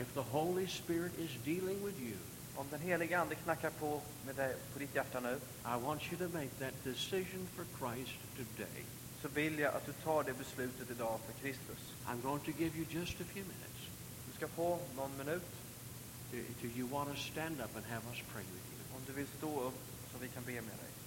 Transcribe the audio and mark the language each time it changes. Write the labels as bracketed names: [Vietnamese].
[English] If the Holy Spirit is dealing with you, [Swedish] om den heliga ande knackar på med dig på ditt hjärta nu, [English] I want you to make that decision for Christ today. [Swedish] Så vill jag att du tar det beslutet idag för Kristus. [English] I'm going to give you just a few minutes. [Swedish] Du ska få någon minut. [English] Do you want to stand up and have us pray with you? [Swedish] Om du vill stå upp så vi kan be med dig.